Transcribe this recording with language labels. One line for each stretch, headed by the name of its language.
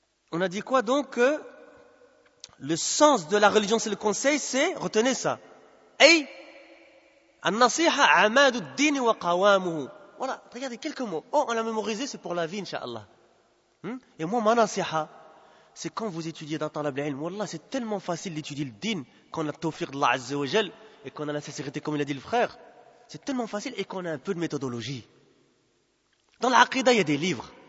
French: On a dit quoi donc? Le sens de la religion, c'est le conseil, c'est, retenez ça,
Arabic: أي النصيحة عماد الدين وقوامه.
French: Voilà, regardez quelques mots. Oh, on l'a mémorisé, c'est pour la vie, inshallah. Et moi, ma nasiha, c'est quand vous étudiez dans talab al-ilm. Wallah, c'est tellement facile d'étudier le din qu'on a le tawfiq d'Allah Azza wa Jal et qu'on a la sincérité, comme il a dit le frère. C'est tellement facile et qu'on a un peu de méthodologie. Dans l'aqida, il y a des livres.